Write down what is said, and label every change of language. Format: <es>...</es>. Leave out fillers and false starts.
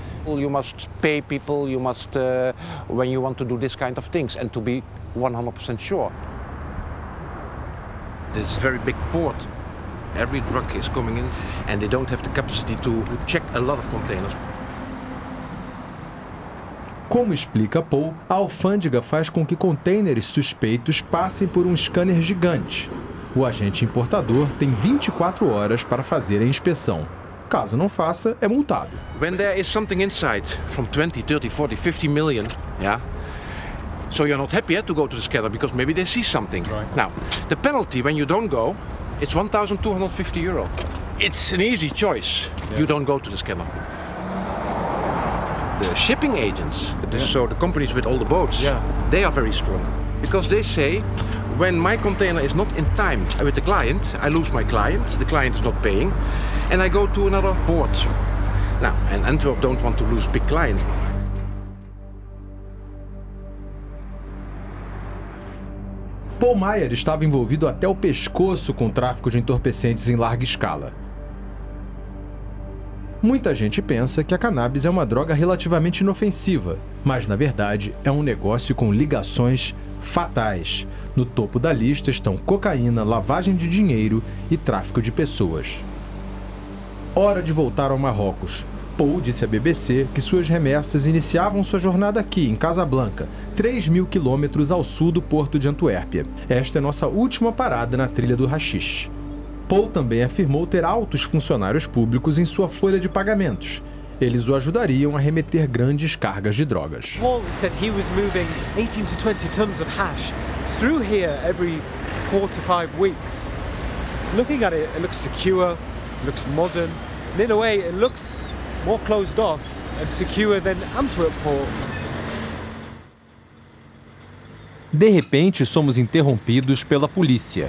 <en>You must pay people, you must, when you want to do this kind of things, and to be 100% sure. This very big port, every drug is coming in and they don't have the capacity to check a lot of containers.</en> <pt>Como explica Paul, a alfândega faz com que contêineres suspeitos passem por um scanner gigante. O agente importador tem 24 horas para fazer a inspeção. Caso não faça, é multado.</pt> <en>When there is something inside from 20, 30, 40, 50 million, yeah. So you're not happy to go to the scanner because maybe they see something. Right. Now, the penalty when you don't go, it's 1,250 euro. It's an easy choice. Yeah. You don't go to the scanner. The shipping agents, so the companies with all the boats, they are very strong. Because they say, when my container is not in time with the client, I lose my client, the client is not paying, and I go to another port. Now, and Antwerp don't want to lose big clients.</en> <pt>Paul Meyer estava envolvido até o pescoço com o tráfico de entorpecentes em larga escala. Muita gente pensa que a cannabis é uma droga relativamente inofensiva, mas na verdade é um negócio com ligações fatais. No topo da lista estão cocaína, lavagem de dinheiro e tráfico de pessoas. Hora de voltar ao Marrocos. Paul disse à BBC que suas remessas iniciavam sua jornada aqui, em Casablanca, 3 mil quilômetros ao sul do porto de Antuérpia. Esta é nossa última parada na trilha do haxixe. Paul também afirmou ter altos funcionários públicos em sua folha de pagamentos. Eles o ajudariam a remeter grandes cargas de drogas.</pt> <en>Paul said he was moving 18 to 20 tons of hash through here every 4 to 5 weeks. Looking at it, it looks secure, looks modern, and in a way it looks more closed off and secure than Antwerp port.</en> <pt>De repente, somos interrompidos pela polícia.</pt>